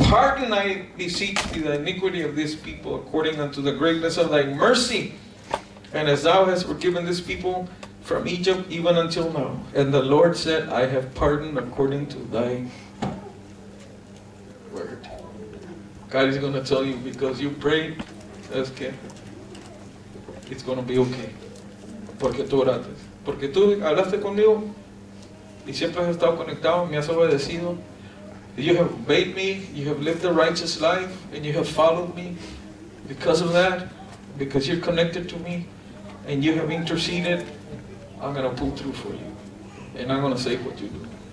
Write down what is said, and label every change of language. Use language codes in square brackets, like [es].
[en] Pardon, I beseech thee, the iniquity of this people according unto the greatness of thy mercy. And as thou hast forgiven this people from Egypt even until now. And the Lord said, I have pardoned according to thy word. God is going to tell you, because you prayed, [es] es que [en] it's going to be okay. [es] Porque tú oraste. Porque tú hablaste conmigo y siempre has estado conectado, me has obedecido. [en] You have obeyed me, you have lived a righteous life, and you have followed me because of that, because you're connected to me, and you have interceded. I'm going to pull through for you, and I'm going to save what you do.